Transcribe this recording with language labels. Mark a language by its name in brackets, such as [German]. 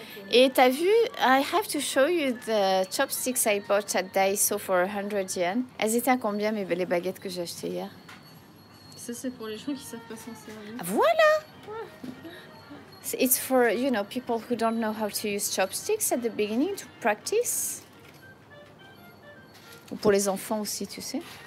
[French] Et t'as vu, [English] I have to show you the chopsticks I bought at Daiso for 100 yen. [French] Elles étaient à combien, mes belles baguettes que j'ai achetées hier? Ça, c'est pour les gens qui savent pas s'en servir. Voilà! [English] It's for, you know, people who don't know how to use chopsticks at the beginning to practice. [French] Ou pour les enfants aussi, tu sais.